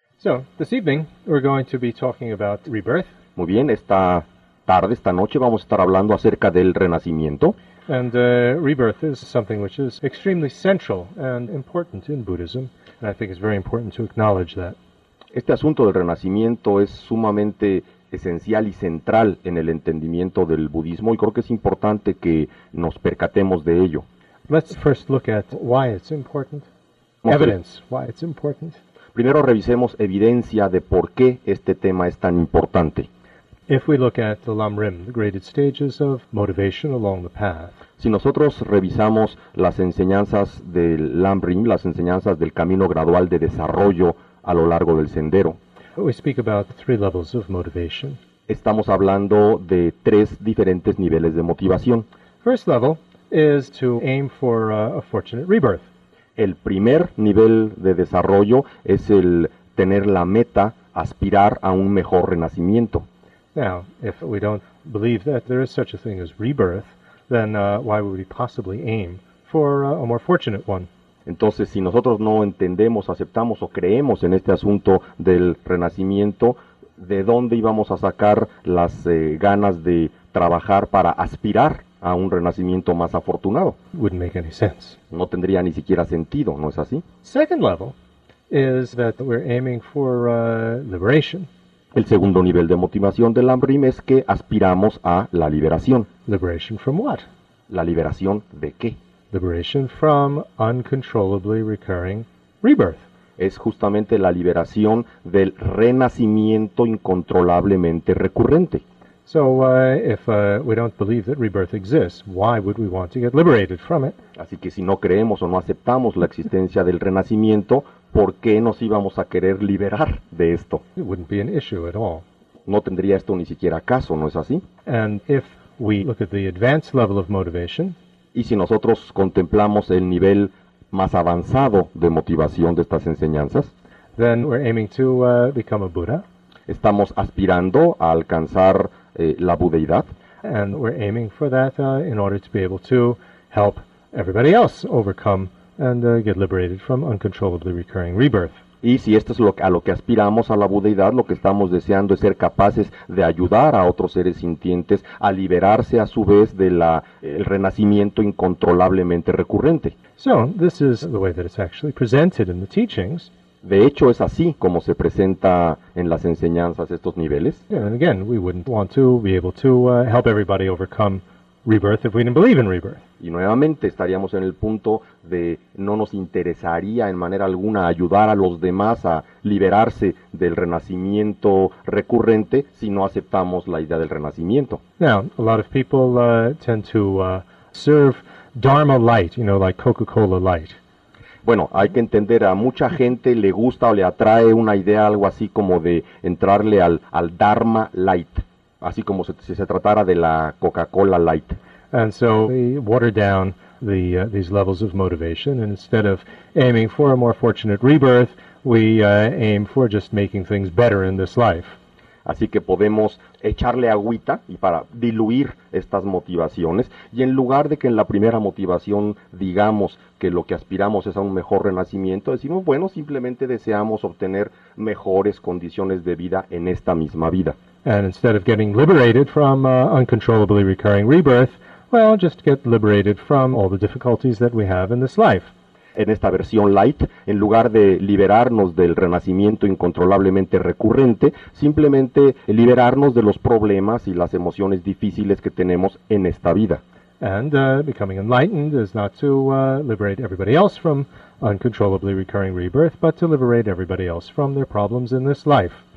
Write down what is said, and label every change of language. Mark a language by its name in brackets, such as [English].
[English] So, this evening, we're going to be talking about rebirth. [Spanish] Muy bien, esta tarde, esta noche, vamos a estar hablando acerca del renacimiento. [English] And rebirth is something which is extremely central and important in Buddhism, and I think it's very important to acknowledge that. [Spanish] Este asunto del renacimiento es sumamente esencial y central en el entendimiento del budismo, y creo que es importante que nos percatemos de ello. [English] Let's first look at why it's important. Evidence, why it's important. [Spanish] Primero revisemos evidencia de por qué este tema es tan importante. [English] If we look at the lam rim, the graded stages of motivation along the path. [Spanish] Si nosotros revisamos las enseñanzas del lam rim, las enseñanzas del camino gradual de desarrollo a lo largo del sendero. [English] We speak about three levels of motivation. [Spanish] Estamos hablando de tres diferentes niveles de motivación. [English] First level is to aim for a fortunate rebirth. [Spanish] El primer nivel de desarrollo es el tener la meta, aspirar a un mejor renacimiento. [English] Now, if we don't believe that there is such a thing as rebirth, then why would we possibly aim for a more fortunate one? [Spanish] Entonces, si nosotros no entendemos, aceptamos o creemos en este asunto del renacimiento, ¿de dónde íbamos a sacar las ganas de trabajar para aspirar a un renacimiento más afortunado? [English] Wouldn't make any sense. [Spanish] No tendría ni siquiera sentido, ¿no es así? [English] Second level is that we're aiming for liberation. [Spanish] El segundo nivel de motivación del Lamrim es que aspiramos a la liberación. [English] Liberation from what? [Spanish] ¿La liberación de qué? [English] Liberation from uncontrollably recurring rebirth. [Spanish] Es justamente la liberación del renacimiento incontrolablemente recurrente. [English] So if we don't believe that rebirth exists, why would we want to get liberated from it? [Spanish] Así que si no creemos o no aceptamos la existencia del renacimiento, ¿por qué nos íbamos a querer liberar de esto? [English] It wouldn't be an issue at all. [Spanish] No tendría esto ni siquiera caso, ¿no es así? [English] And if we look at the advanced level of motivation, [Spanish] y si nosotros contemplamos el nivel más avanzado de motivación de estas enseñanzas, [English] then we're aiming to become a Buddha. [Spanish] Estamos aspirando a alcanzar la budeidad. [English] And we're aiming for that in order to be able to help everybody else overcome and get liberated from uncontrollably recurring rebirth. [Spanish] Y si esto es a lo que aspiramos a la budeidad, lo que estamos deseando es ser capaces de ayudar a otros seres sintientes a liberarse a su vez del renacimiento incontrolablemente recurrente. [English] So, this is the way that it's actually presented in the teachings. [Spanish] De hecho, es así como se presenta en las enseñanzas estos niveles. [English] And again, we wouldn't want to be able to help everybody overcome rebirth if we didn't believe in rebirth. [Spanish] Y nuevamente estaríamos en el punto de no nos interesaría en manera alguna ayudar a los demás a liberarse del renacimiento recurrente si no aceptamos la idea del renacimiento. [English] Now, a lot of people tend to serve Dharma light, you know, like Coca-Cola light. [Spanish] Bueno, hay que entender, a mucha gente le gusta o le atrae una idea algo así como de entrarle al Dharma light, así como si se tratara de la Coca-Cola light. [English] And so we water down these levels of motivation, and instead of aiming for a more fortunate rebirth, we aim for just making things better in this life. [Spanish] Así que podemos echarle agüita y para diluir estas motivaciones, y en lugar de que en la primera motivación digamos que lo que aspiramos es a un mejor renacimiento, decimos, bueno, simplemente deseamos obtener mejores condiciones de vida en esta misma vida. [English] And instead of getting liberated from uncontrollably recurring rebirth, well, just get liberated from all the difficulties that we have in this life. [Spanish] En esta versión light, en lugar de liberarnos del renacimiento incontrolablemente recurrente, simplemente liberarnos de los problemas y las emociones difíciles que tenemos en esta vida. [English] And becoming enlightened is not to liberate everybody else from uncontrollably recurring rebirth, but to liberate everybody else from their problems in this life.